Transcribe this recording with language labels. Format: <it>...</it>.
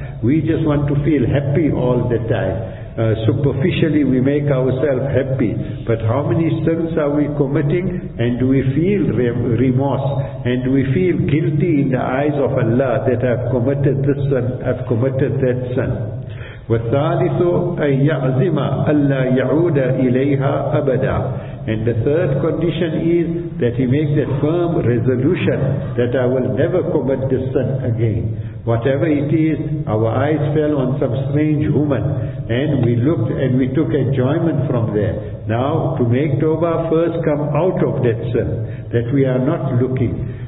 <en>We just want to feel happy all the time. Superficially we make ourselves happy, but how many sins are we committing and do we feel remorse and do we feel guilty in the eyes of Allah that I've committed this sin, I've committed that sin.</en> <ar>وَالثَّالِثُ أَيَّعْزِمَ أَلَّا يَعُودَ إِلَيْهَا أَبَدًا.</ar> <en>And the third condition is that he makes a firm resolution that I will never commit this sin again. Whatever it is, our eyes fell on some strange woman and we looked and we took enjoyment from there. Now, to make Toba, first come out of that sin, that we are not looking.</en>